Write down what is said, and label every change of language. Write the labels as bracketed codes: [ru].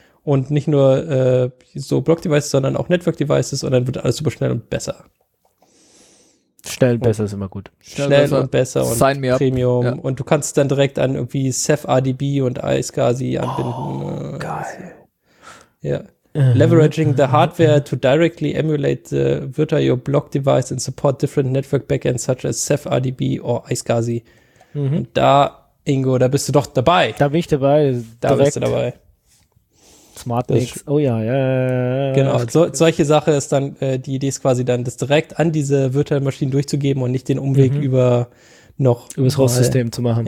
[de] Und nicht nur so Block-Devices, sondern auch Network-Devices, und dann wird alles super schnell und besser. Schnell und besser ist immer gut. Schnell besser. Und besser und [en] Sign me up. [de] Premium. Ja. Und du kannst dann direkt an irgendwie CephRDB und iSCSI anbinden. Oh, geil. Ja. Yeah. [en] Leveraging the hardware to directly emulate the virtual block device and support different network backends such as CephRDB or iSCSI. Mhm. [de] Und da, Ingo, da bist du doch dabei. Da bin ich dabei. Da direkt. Bist du dabei. Smart Links. Oh ja, ja, ja, ja. Genau, solche Sache ist dann, die Idee ist quasi dann, das direkt an diese virtuellen Maschinen durchzugeben und nicht den Umweg über noch. Über das Host-System zu machen.